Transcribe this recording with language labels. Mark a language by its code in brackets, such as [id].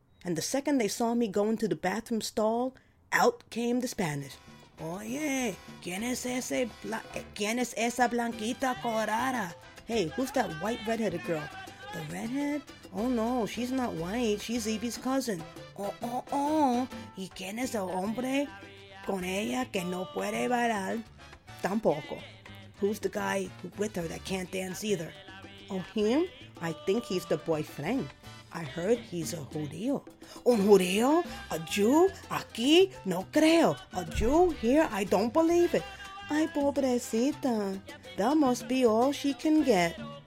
[en] And the second they saw me go into the bathroom stall, out came the Spanish. [es] Oye, ¿quién es esa blanquita colorada? [en] Hey, who's that white redheaded girl? The redhead? Oh no, she's not white, she's Evie's cousin. [es] Oh, ¿y quién es el hombre con ella que no puede bailar? Tampoco. [en] Who's the guy with her that can't dance either? Oh, him? I think he's the boyfriend. I heard he's a judío. [es] Un judío? [en] A Jew? [es] Aquí? No creo. [en] A Jew? Here? I don't believe it. [es] Ay, pobrecita. [en] That must be all she can get.